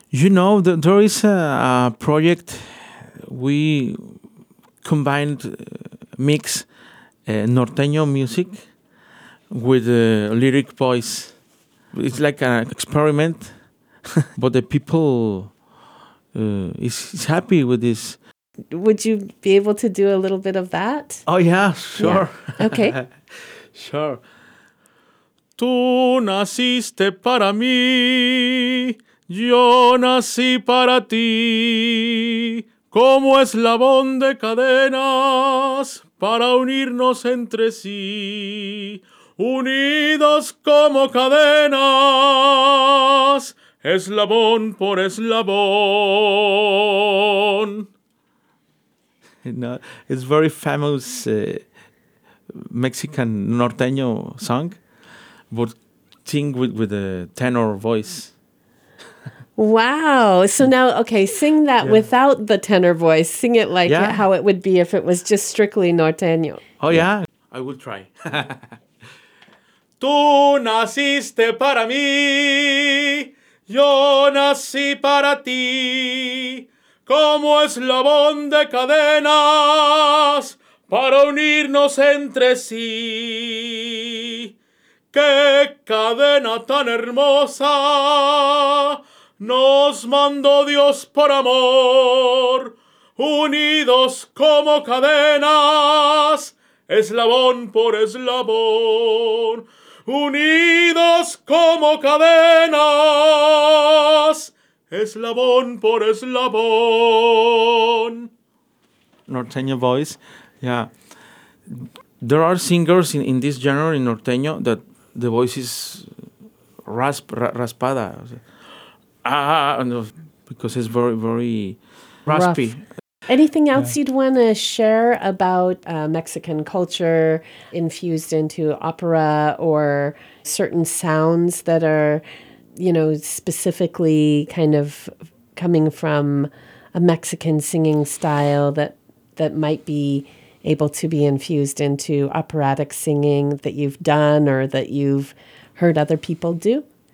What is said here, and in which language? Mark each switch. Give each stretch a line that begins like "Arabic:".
English: You know, there is a project we combined, mix norteño music with lyric voice. It's like an experiment, but the people is happy with this. Would you be able to do a little bit of that? Oh, yeah, sure. Yeah. Okay. Sure.
Spanish: Tú naciste para mí, yo nací para ti, como eslabón de cadenas para unirnos entre sí, unidos como cadenas, eslabón por eslabón.
English: It's very famous Mexican norteño song, but sing with a tenor voice. Wow. So now, okay, sing that without the tenor voice. Sing it like how it would be if it was just strictly norteño. Oh, yeah? I will try.
Spanish: Tú naciste para mí, yo nací para ti, como eslabón de cadenas para unirnos entre sí. ¡Qué cadena tan hermosa! Nos mandó Dios por amor, unidos como cadenas, eslabón por eslabón, unidos como cadenas, eslabón por eslabón.
English: Norteño voice, yeah. There are singers in this genre, in norteño, that the voice is raspada. Because it's very, very raspy. Rough. Anything else you'd want to share about Mexican culture infused into opera or certain sounds that are, you know, specifically kind of coming from a Mexican singing style that might be able to be infused into operatic singing that you've done or that you've heard other people do?